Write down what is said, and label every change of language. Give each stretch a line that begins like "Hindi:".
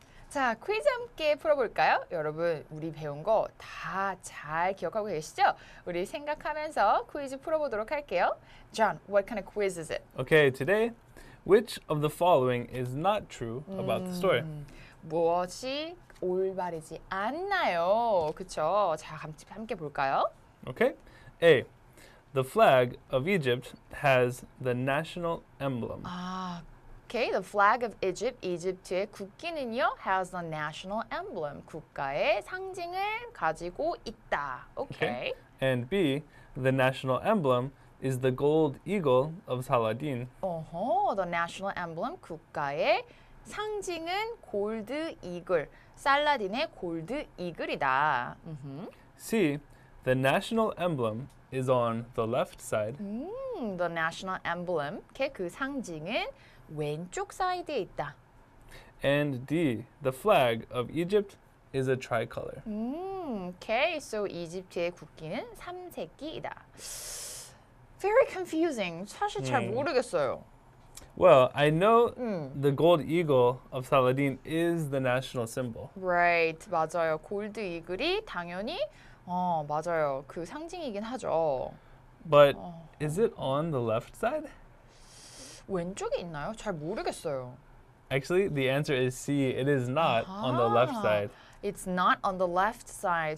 Korean: 자, 퀴즈 함께 풀어볼까요? 여러분, 우리 배운 거 다 잘 기억하고 계시죠? 우리 생각하면서 퀴즈 풀어보도록 할게요.
English: John, what kind of quiz is it? Okay, today, which of the following is not true about the story?
Korean: 무엇이 올바르지 않나요? 그쵸? 자, 함께 볼까요?
English: Okay, A. The flag of Egypt has the national emblem. 아, okay, the flag of Egypt,
Korean: 이집트의 국기는요,
English: has the national emblem,
Korean: 국가의 상징을 가지고 있다.
English: Okay. And B, the national emblem is the gold eagle of Saladin. The national emblem,
Korean: 국가의 상징은 골드 이글, 살라딘의 골드 이글이다.
English: C, the national emblem is on the left side. The national emblem,
Korean: 그 상징은 왼쪽 사이드에 있다.
English: And D, the flag of Egypt is a tricolor.
Korean: Okay, so 이집트의 국기는 삼색이다. Very confusing. 사실 잘 모르겠어요.
English: Well, I know the gold eagle of Saladin is the national symbol.
Korean: Right, 맞아요. 골드 이글이 당연히 맞아요. 그 상징이긴 하죠.
English: But is it on the left side?
Korean: 왼쪽에 있나요? 잘 모르겠어요.
English: Actually, the answer is C. It is not on the left side. It's not on the left side.